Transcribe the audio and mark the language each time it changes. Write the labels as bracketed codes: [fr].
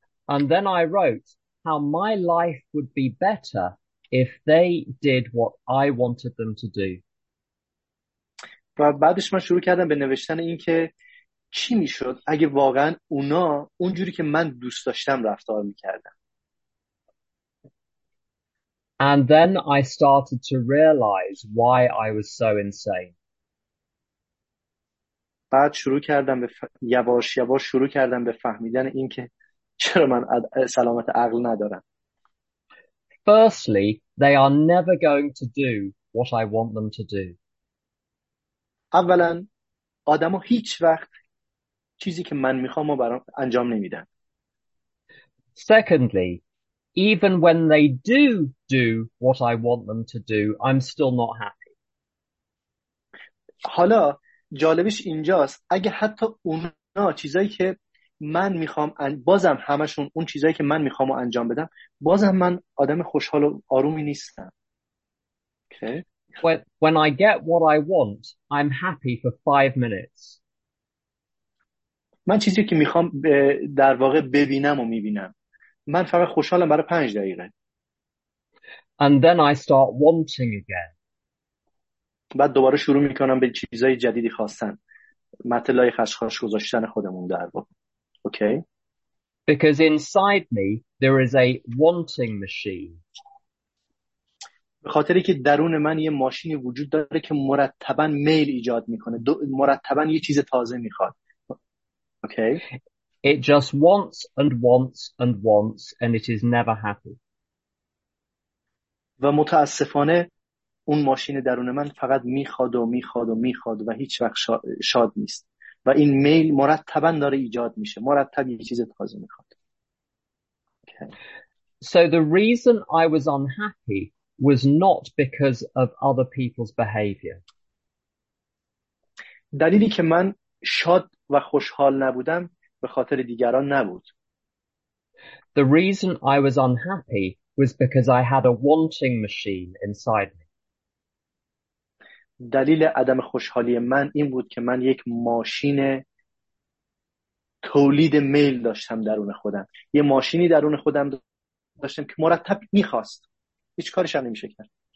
[en] And then I wrote how my life would be better if they did what I wanted them to do. [fa] و بعدش من شروع کردم به نوشتن این که چی میشد اگه واقعا اونا اونجوری که من دوست داشتم رفتار میکردن. [en] And then I started to realize why I was so insane. [fa] بعد شروع کردم به یواش یواش شروع کردم به فهمیدن اینکه چرا من سلامت عقل ندارم. [en] Firstly, they are never going to do what I want them to do. [fa] اولا آدمو هیچ وقت چیزی که من میخوام و برام انجام نمیدن. [en] Secondly, even when they do do what I want them to do, I'm still not happy. [fa] حالا جالبش اینجاست اگه حتی اونا چیزایی که من میخوام بازم همشون اون چیزایی که من میخوام و انجام بدم بازم من آدم خوشحال و آرومی نیستم. [en] Okay. When I get what I want, I'm happy for 5 minutes. [fa] من چیزی که میخوام در واقع ببینم و میبینم من فقط خوشحالم برای 5 دقیقه. [en] And then I start wanting again. [fa] بعد دوباره شروع میکنم به چیزای جدیدی خواستن. متلای خشخاش گذاشتن خودمون در واقع. اوکی؟ [en] Because inside me there is a wanting machine. [fa] به خاطری که درون من یه ماشینی وجود داره که مرتبا میل ایجاد میکنه. مرتبا یه چیز تازه میخواد. اوکی؟ [en] It just wants and wants and wants and it is never happy. [fa] و متاسفانه اون ماشین درون من فقط میخواد و میخواد و میخواد و هیچ وقت شاد نیست و این میل مرتبا داره ایجاد میشه مرتب یه چیز تازه میخواد. [en] So the reason I was unhappy was not because of other people's behavior. [fa] دلیلی که من شاد و خوشحال نبودم به خاطر دیگران نبود. [en] The reason I was unhappy was because I had a wanting machine inside me. [fa] دلیل عدم خوشحالی من این بود که من یک ماشین تولید میل داشتم درون خودم. یه ماشینی درون خودم داشتم که مرتب میخواست. هیچ کارش هم نمیشه کرد.